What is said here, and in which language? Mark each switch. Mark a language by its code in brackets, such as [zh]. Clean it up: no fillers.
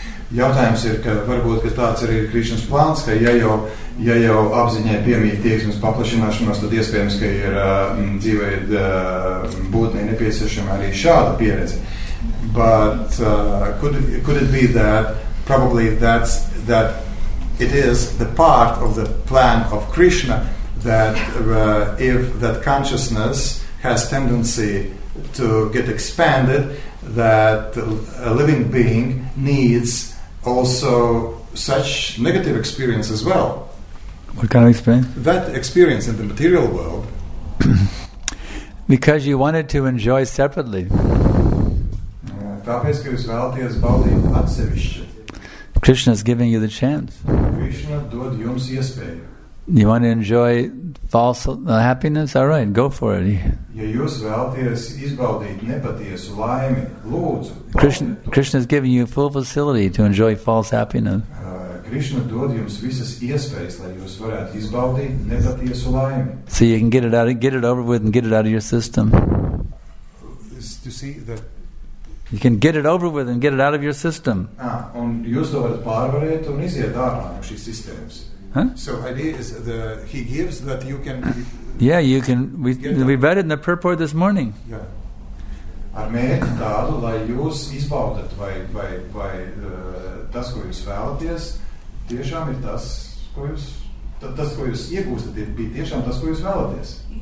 [lv] Jautājums ir, ka varbūt ka tāds arī ir Krišnas plāns, ka ja jau apziņai piemīt tieksmes paplašināšanos, tad iespējams, ka ir dzīvē būtnei nepieciešama arī šāda pieredze. [en] But could it be that probably that it is the part of the plan of Krishna that if that consciousness has tendency to get expanded, that a living being needs also such negative experience as well. What kind of experience? That experience in the material world. Because you wanted to enjoy separately. [lv] Tāpēc, ka jūs vēlaties baudīt atsevišķi. [en] Krishna is giving you the chance. [lv] Krishna dod jums iespēju. [en] You want to enjoy false happiness? All right, go for it. [lv] Ja jūs vēlaties izbaudīt nepatiesu laimi, lūdzu. [en] Krishna is giving you full facility to enjoy false happiness. [lv] Krishna dod jums visas iespējas, lai jūs varētu izbaudīt nepatiesu laimi. [en] So you can get it over with and get it out of your system. To see that you can get it over with and get it out of your system. [lv] Un jūs to varat pārvarēt un iziet ārā no šīs sistēmas. Huh? [en] So idea is he gives that you can. Yeah, you can. We read it in the purport this morning. [lv] Yeah. Ar mērķi tādu, lai jūs izbaudat vai tas, ko jūs vēlaties, tiešām ir tas, ko jūs tas, ko jūs iegūstat, ir bija tiešām tas, ko jūs vēlaties.